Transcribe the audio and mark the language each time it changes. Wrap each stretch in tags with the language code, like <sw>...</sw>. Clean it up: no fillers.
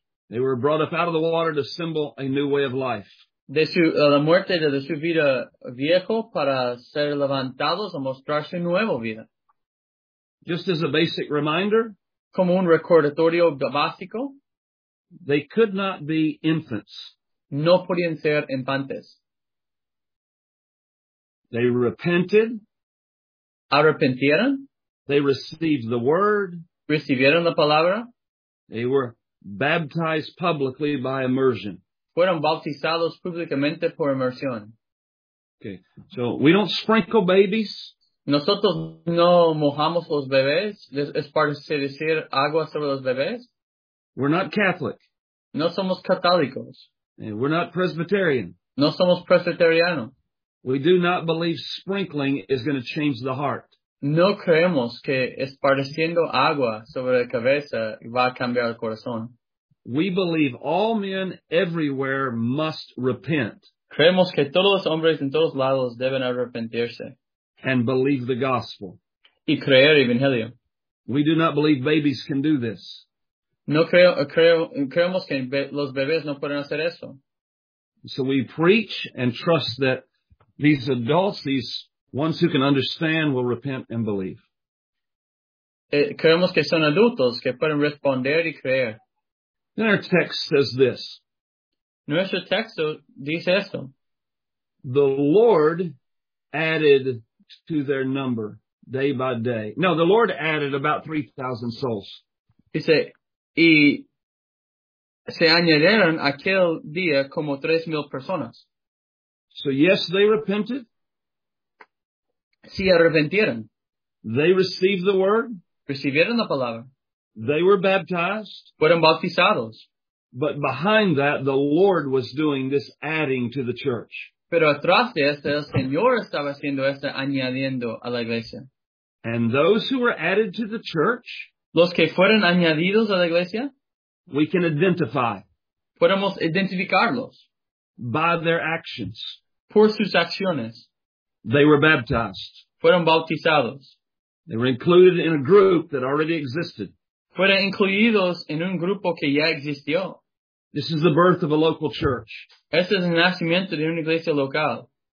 <en>They were brought up out of the water to symbol a new way of life.</en> <es>De su, la muerte de su vida viejo para ser levantados a mostrar su nueva vida.</es> <en>Just as a basic reminder.</en> <es>Como un recordatorio básico.</es> <en>They could not be infants.</en> <es>No podían ser infantes.</es> <en>They repented.</en> <es>Arrepentieron.</es> <en>They received the word.</en> <es>Recibieron la palabra.</es> <en>They were baptized publicly by immersion.</en> <es>Fueron bautizados públicamente por inmersión.</es> <en>Okay, so we don't sprinkle babies.</en> <es>Nosotros no mojamos los bebés. Es para decir agua sobre los bebés.</es> <en>We're not Catholic.</en> <es>No somos católicos.</es> <en>And we're not Presbyterian.</en> <es>No somos presbiteriano.</es> <en>We do not believe sprinkling is going to change the heart.</en> <es>No creemos que esparciendo agua sobre la cabeza va a cambiar el corazón.</es> <en>We believe all men everywhere must repent.</en> <es>Creemos que todos los hombres en todos lados deben arrepentirse.</es> <en>And believe the gospel.</en> <es>y creer el evangelio.</es> <en>We do not believe babies can do this.</en> <es>No creo, creemos que los bebés no pueden hacer eso.</es> <en>So we preach and trust that these adults, these ones who can understand, will repent and believe.</en> <es>Creemos que son adultos que pueden responder y creer.</es> <en>Then our text says this.</en> <es>Nuestro texto dice esto.</es> <en>The Lord added to their number day by day. No, the Lord added about 3,000 souls.</en> <es>Dice, y se añadieron aquel día como 3,000 personas.</es> <en>So yes, they repented.</en> <es>Sí, arrepintieron.</es> <en>They received the word.</en> <es>Recibieron la palabra.</es> <en>They were baptized.</en> <es>Fueron bautizados.</es> <en>But behind that, the Lord was doing this adding to the church.</en> <es>Pero atrás de esto, el Señor estaba haciendo esto, añadiendo a la iglesia.</es> <en>And those who were added to the church,</en> <es>los que fueron añadidos a la iglesia,</es> <en>we can identify.</en> <es>Podemos identificarlos.</es> <en>By their actions.</en> <es>Por sus acciones.</es> <en>They were baptized.</en> <es>Fueron bautizados.</es> <en>They were included in a group that already existed.</en> <es>Fueron incluidos en un grupo que ya existió.</es> <en>This is the birth of a local church.</en> <es>Este es el nacimiento de una iglesia local.</es>